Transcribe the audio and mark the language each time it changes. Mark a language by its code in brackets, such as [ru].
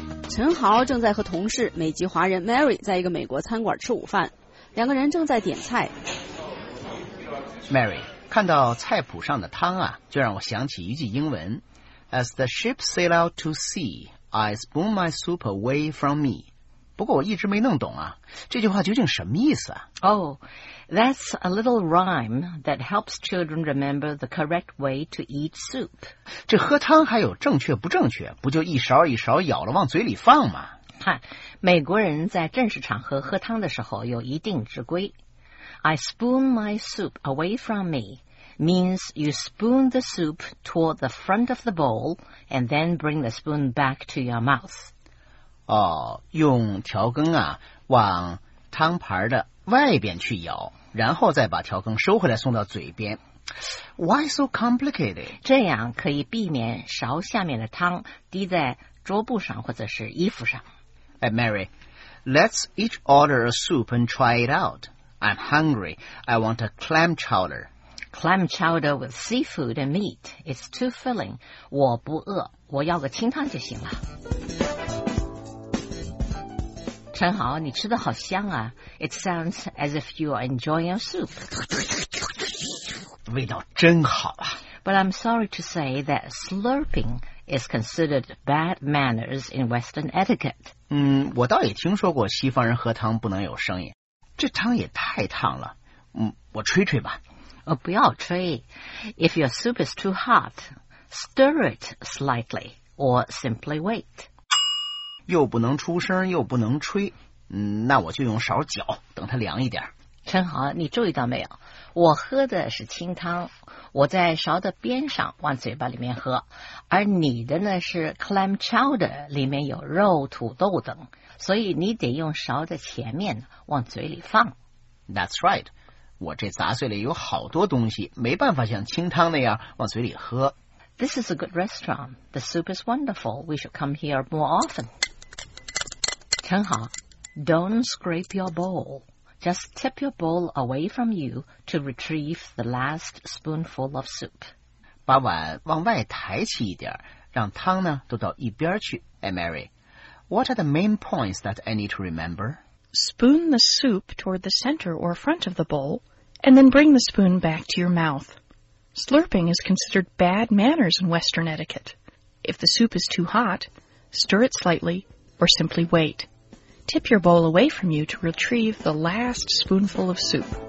[zh] 陈豪正在和同事美籍华人 Mary 在一个美国餐馆吃午饭，两个人正在点菜。 Mary， 看到菜谱上的汤啊，就让我想起一句英文， [en] As the ship sail out to sea, I spoon my soup away from me。 [zh] 不过我一直没弄懂啊，这句话究竟什么意思啊？ [en] Oh, that's a little rhyme that helps children remember the correct way to eat soup. [zh] 这喝汤还有正确不正确，不就一勺一勺舀了往嘴里放吗？看，美国人在正式场合喝汤的时候有一定之规。 [en] I spoon my soup away from me means you spoon the soup toward the front of the bowl and then bring the spoon back to your mouth. [zh] 哦，用调羹啊往汤盘的外边去舀，然后再把调羹收回来送到嘴边。 [en] Why so complicated? [zh] 这样可以避免勺下面的汤滴在桌布上或者是衣服上。 [en] 哎 Mary, let's each order a soup and try it out. I'm hungry. I want a clam chowder. Clam chowder with seafood and meat. It's too filling. [zh] 我不饿，我要个清汤就行了。陈豪，你吃的好香啊。 [en] It sounds as if you are enjoying soup. [zh] 味道真好啊。 [en] But I'm sorry to say that slurping is considered bad manners in Western etiquette. [zh] 我倒也听说过西方人喝汤不能有声音。这汤也太烫了。我吹吹吧。不要吹。 [en] If your soup is too hot, stir it slightly or simply wait. [zh] 又不能出声又不能吹，那我就用勺搅，等它凉一点。陈豪，你注意到没有，我喝的是清汤，我在勺的边上往嘴巴里面喝，而你的呢是 clam chowder， 里面有肉土豆等，所以你得用勺的前面往嘴里放。 [en] That's right， [zh] 我这杂碎里有好多东西，没办法像清汤那样往嘴里喝。 [en] This is a good restaurant. The soup is wonderful. We should come here more often. 陈豪， don't scrape your bowl. Just tip your bowl away from you to retrieve the last spoonful of soup. [zh] 把碗往外抬起一点，让汤呢都到一边去。 [en] 哎 ，Mary， what are the main points that I need to remember? Spoon the soup toward the center or front of the bowl, and then bring the spoon back to your mouth. Slurping is considered bad manners in Western etiquette. If the soup is too hot, stir it slightly. Or simply wait. Tip your bowl away from you to retrieve the last spoonful of soup.